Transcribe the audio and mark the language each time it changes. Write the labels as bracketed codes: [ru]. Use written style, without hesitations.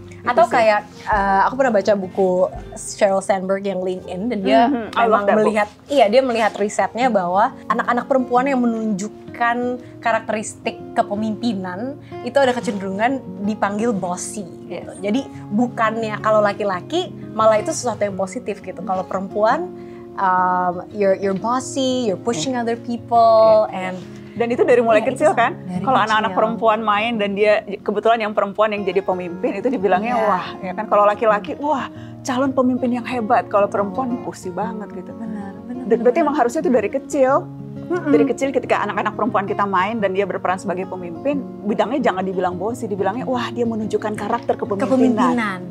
[id] Atau kayak, aku pernah baca buku Sheryl Sandberg yang LinkedIn, dan dia memang melihat, dia melihat risetnya bahwa anak-anak perempuan yang menunjukkan karakteristik kepemimpinan, itu ada kecenderungan dipanggil bossy. [en] Yes. [id] Gitu. Jadi bukannya kalau laki-laki, malah itu sesuatu yang positif gitu. Kalau perempuan, [en] you're bossy, you're pushing other people, and... [id] Dan itu dari mulai kecil kan, kalau anak-anak perempuan main dan dia kebetulan yang perempuan yang jadi pemimpin itu dibilangnya wah, ya kan, kalau laki-laki wah calon pemimpin yang hebat, kalau perempuan pusing banget gitu. Benar. Berarti emang harusnya itu dari kecil, dari kecil ketika anak-anak perempuan kita main dan dia berperan sebagai pemimpin, bidangnya jangan dibilang bosi, dibilangnya wah dia menunjukkan karakter kepemimpinan.